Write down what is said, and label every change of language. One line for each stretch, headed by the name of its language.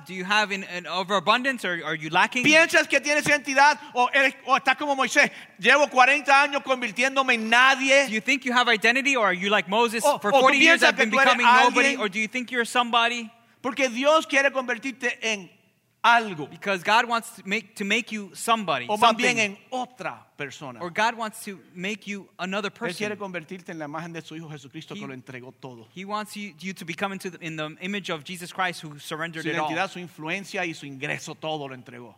English: Do you have an overabundance or are you lacking?
Spanish: ¿Piensas que tienes identidad o estás como Moisés? Llevo 40 años convirtiéndome en nadie.
English: Do you think you have identity or are you like Moses? For 40 years I've been becoming nobody. Or do you think you're somebody?
Spanish: Porque Dios quiere convertirte en algo.
English: Because God wants to make you somebody.
Spanish: O más bien en otra persona.
English: Or God wants to make you another person.
Spanish: Él quiere convertirte en la imagen de su hijo Jesucristo que lo entregó todo.
English: He wants you to become in the image of Jesus Christ who surrendered it all.
Spanish: Su identidad, su influencia y su ingreso todo lo entregó.